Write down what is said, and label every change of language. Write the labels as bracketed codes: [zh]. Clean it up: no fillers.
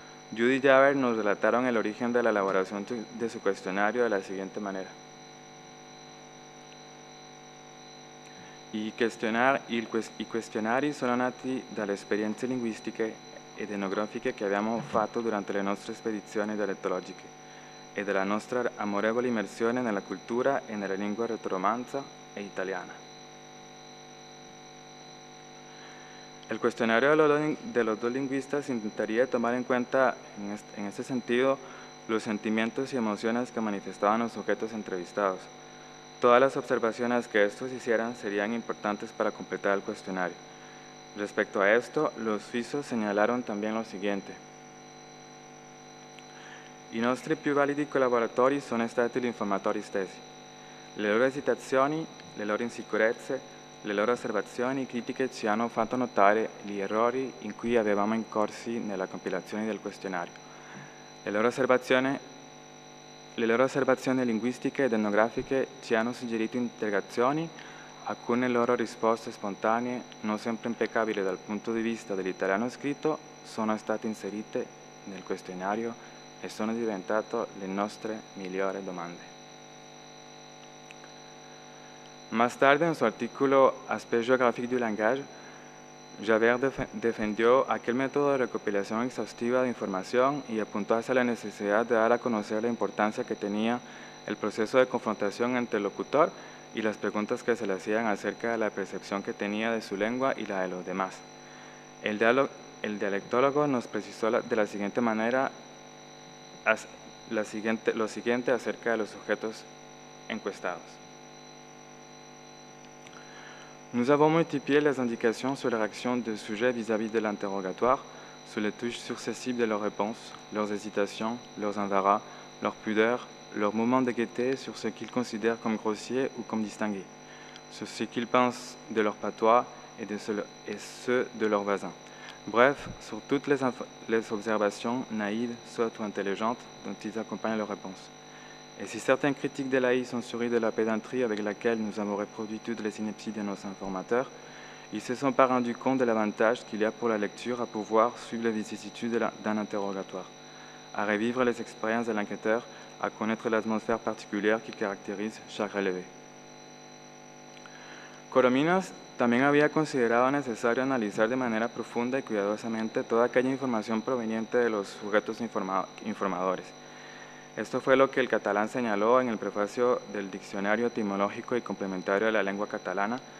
[es] Jude y Jaber nos relataron el origen de la elaboración de su cuestionario de la siguiente manera: [it] I questionari sono nati dalle esperienze linguistiche ed etnografiche che abbiamo fatto durante le nostre spedizioni dialettologiche e della nostra amorevole immersione nella cultura e nella lingua retoromanza e italiana. [es] El cuestionario de los dos lingüistas intentaría tomar en cuenta, en este sentido, los sentimientos y emociones que manifestaban los sujetos entrevistados. Todas las observaciones que estos hicieran serían importantes para completar el cuestionario. Respecto a esto, los suizos señalaron también lo siguiente. [it] I nostri più validi collaboratori sono stati gli informatori stessi. Le loro esitazioni, le loro insicurezze, le loro osservazioni e critiche ci hanno fatto notare gli errori in cui avevamo incorsi nella compilazione del questionario. Le loro osservazioni linguistiche ed etnografiche ci hanno suggerito integrazioni, alcune loro risposte spontanee, non sempre impeccabili dal punto di vista dell'italiano scritto, sono state inserite nel questionario e sono diventate le nostre migliori domande. [es] Más tarde, en su artículo Aspects géographiques du langage, Javert defendió aquel método de recopilación exhaustiva de información y apuntó hacia la necesidad de dar a conocer la importancia que tenía el proceso de confrontación entre el locutor y las preguntas que se le hacían acerca de la percepción que tenía de su lengua y la de los demás. El dialectólogo nos precisó de la siguiente manera lo siguiente acerca de los sujetos encuestados. [fr] Nous avons multiplié les indications sur la réaction des sujets vis-à-vis de l'interrogatoire, sur les touches successives de leurs réponses, leurs hésitations, leurs embarras, leur pudeur, leur moment de gaieté sur ce qu'ils considèrent comme grossier ou comme distingué, sur ce qu'ils pensent de leur patois et ceux de leurs voisins. Bref, sur toutes les observations naïves, sottes ou intelligentes dont ils accompagnent leurs réponses. Et si certains critiques de l'AI sont souris de la pédanterie avec laquelle nous avons reproduit toutes les inepties de nos informateurs, ils ne se sont pas rendus compte de l'avantage qu'il y a pour la lecture à pouvoir suivre les vicissitudes d'un interrogatoire, à revivre les expériences de l'enquêteur, à connaître l'atmosphère particulière qui caractérise chaque relevé. [es] Corominas también había considerado necesario analizar de manera profunda y cuidadosamente toda aquella información proveniente de los sujetos informadores. Esto fue lo que el catalán señaló en el prefacio del Diccionario Etimológico y Complementario de la Lengua Catalana.